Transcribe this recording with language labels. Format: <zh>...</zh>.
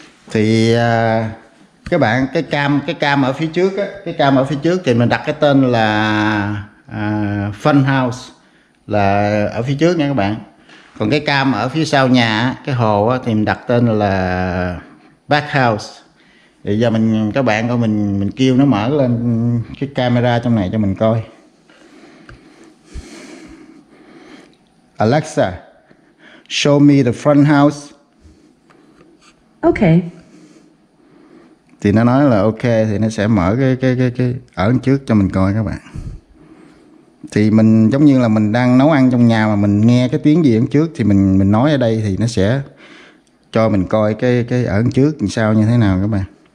<vi>Thì các bạn, cái cam ở phía trước á, cái cam ở phía trước thì mình đặt cái tên là Fun House là ở phía trước nha các bạn. Còn cái cam ở phía sau nhà, cái hồ á, thì mình đặt tên là Back House. Thì giờ mình, các bạn coi, mình kêu nó mở lên cái camera trong này cho mình coi.</vi> <en>Alexa, show me the front house. Okay.</en> <vi>Thì nó nói là ok, thì nó sẽ mở cái ở trước cho mình coi các bạn. Thì mình giống như là mình đang nấu ăn trong nhà mà mình nghe cái tiếng gì ở trước thì mình nói ở đây, thì nó sẽ cho mình coi cái ở trước làm sao như thế nào các bạn.</vi>